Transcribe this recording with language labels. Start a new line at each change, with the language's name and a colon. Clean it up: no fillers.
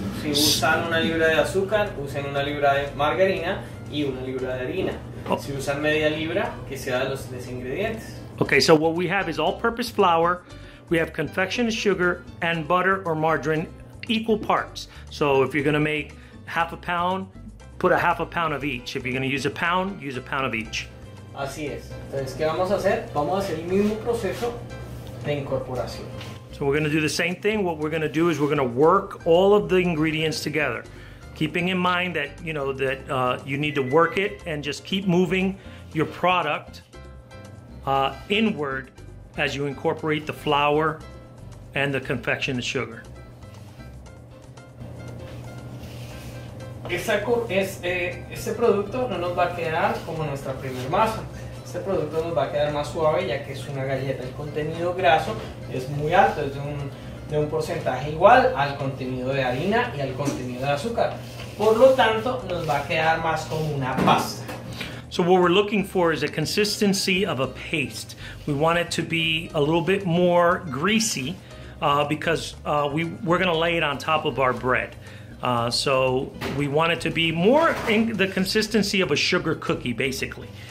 Spanish: Si usan una libra de azúcar, usen una libra de margarina y una libra de harina. Si usan media libra, que sea de los tres ingredientes.
English: Okay, so what we have is all-purpose flour, we have confectioner's sugar, and butter or margarine, equal parts. So if you're gonna make half a pound, put a half a pound of each. If you're gonna use a pound, use a pound of each.
Spanish: Así es. Entonces, ¿qué vamos a hacer? Vamos a hacer el mismo proceso de incorporación.
English: So we're gonna do the same thing. What we're gonna do is we're gonna work all of the ingredients together, keeping in mind that, you know, that you need to work it and just keep moving your product inward as you incorporate the flour and the confectioner's sugar.
Spanish: Este producto no nos va a quedar como nuestra primer masa. Este producto nos va a quedar más suave, ya que es una galleta. El contenido graso es muy alto, es de un porcentaje igual al contenido de harina y al contenido de azúcar. Por lo tanto, nos va a quedar más como una pasta.
English: So what we're looking for is a consistency of a paste. We want it to be a little bit more greasy because we're gonna lay it on top of our bread. So we want it to be more in the consistency of a sugar cookie, basically.